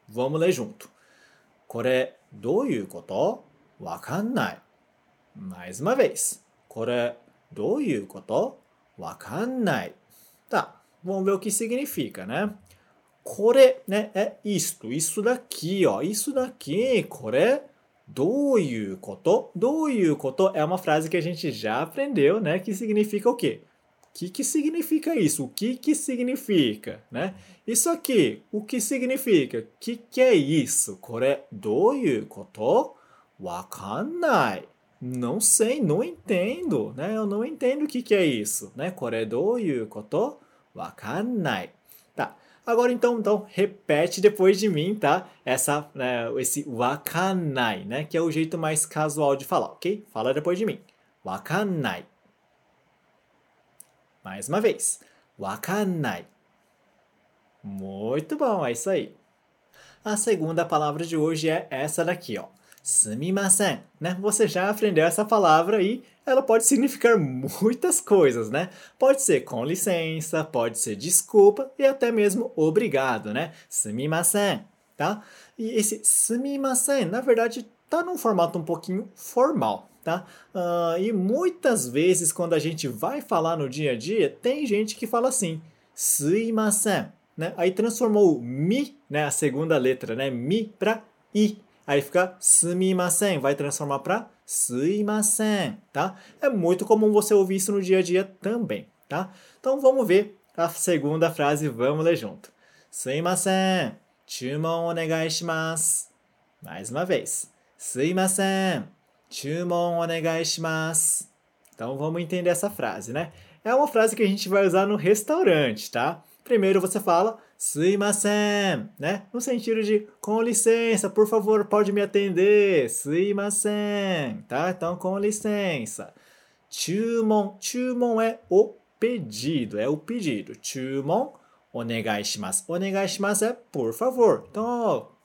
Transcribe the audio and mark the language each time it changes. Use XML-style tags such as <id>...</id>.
<pt>Vamos ler junto.</pt> <ja>これどういうこと?わかんない。</ja> <pt>Mais uma vez.</pt> <ja>これどういうこと?わかんない。</ja> <pt>Tá, vamos ver o que significa, né?</pt> <ja>これ、</ja> <pt>né, é isto, isso daqui, ó. Isso daqui,</pt> <ja>これどういうこと? どういうこと?</ja> <pt>é uma frase que a gente já aprendeu, né? Que significa o quê? Que significa isso? O que significa, né? Isso aqui, o que significa? Que é isso?</pt> <ja>これどういうこと? わかんない。</ja> <pt>Não sei, não entendo, né? Eu não entendo o que é isso, né?</pt> <ja>これどういうこと?わかんない。</ja> <pt>Tá, agora então, repete depois de mim, tá? Esse</pt> <ja>わかんない,</ja> <pt>né? Que é o jeito mais casual de falar, ok? Fala depois de mim.</pt> <ja>わかんない。</ja> <pt>Mais uma vez,</pt> <ja>wakanai.</ja> <pt>Muito bom, é isso aí. A segunda palavra de hoje é essa daqui, ó. Sumimasen, né? Você já aprendeu essa palavra e ela pode significar muitas coisas, né? Pode ser com licença, pode ser desculpa e até mesmo obrigado, né? Sumimasen, tá? E esse sumimasen, na verdade, tá num formato um pouquinho formal, tá? E muitas vezes, quando a gente vai falar no dia a dia, tem gente que fala assim,</pt> <ja>すいません,</ja> <pt>né? Aí transformou o mi, né? A segunda letra, né? Mi para i. Aí fica</pt> <ja>すみません,</ja> <pt>vai transformar para</pt> <ja>すいません,</ja> <pt>tá? É muito comum você ouvir isso no dia a dia também, tá? Então, vamos ver a segunda frase, vamos ler junto.</pt> <ja>すいません, 注文お願いします.</ja> <pt>Mais uma vez.</pt> <ja>すいません, 注文お願いします。</ja> <pt>Então, vamos entender essa frase, né? É uma frase que a gente vai usar no restaurante, tá? Primeiro você fala,</pt> <ja>すいません,</ja> <pt>né? No sentido de, com licença, por favor, pode me atender.</pt> <ja>すいません,</ja> <pt>tá? Então, com licença.</pt> <ja>注文, 注文</ja> <pt>é o pedido, é o pedido.</pt> <ja>注文お願いします. お願いします</ja> <pt>é por favor. Então,</pt>